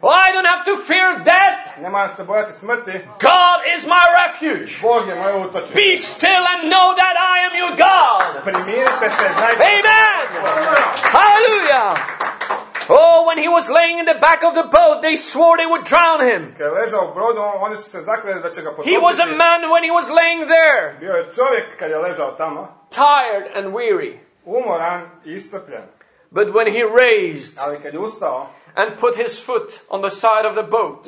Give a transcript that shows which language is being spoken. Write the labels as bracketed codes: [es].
[en] I don't have to fear death. [hr] Ne moram se bojati smrti. [en] God is my refuge. [hr] Bog je moje utočište. [en] Be still and know that I am your God. [hr] Primirite se, znajte. [en] Amen. Hallelujah. Oh, when he was laying in the back of the boat, they swore they would drown him. [hr] Kad ležao u brodu, oni su se zakleli da će ga potopiti. [en] He was a man when he was laying there. [hr] Bio je čovjek kad je ležao tamo. [en] Tired and weary. [hr] Umoran i iscrpljen. [en] But when he raised, [hr] ali kad je ustao, [en] and put his foot on the side of the boat,